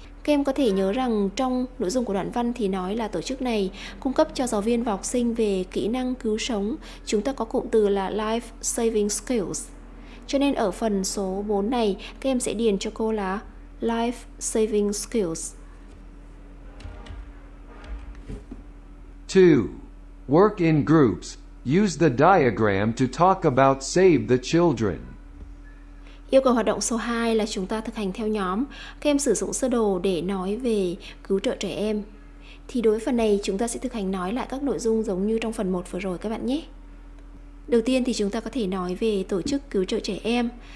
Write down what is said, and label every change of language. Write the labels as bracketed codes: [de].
[vi] Các em có thể nhớ rằng trong nội dung của đoạn văn thì nói là tổ chức này cung cấp cho giáo viên và học sinh về kỹ năng cứu sống. Chúng ta có cụm từ là [en] life saving skills. [vi] Cho nên ở phần số 4 này các em sẽ điền cho cô là life saving skills. [en] 2. Work in groups. Use the diagram to talk about Save the Children. [vi] Yêu cầu hoạt động số 2 là chúng ta thực hành theo nhóm. Các em sử dụng sơ đồ để nói về cứu trợ trẻ em. Thì đối với phần này chúng ta sẽ thực hành nói lại các nội dung giống như trong phần 1 vừa rồi các bạn nhé. Đầu tiên thì chúng ta có thể nói về tổ chức cứu trợ trẻ em.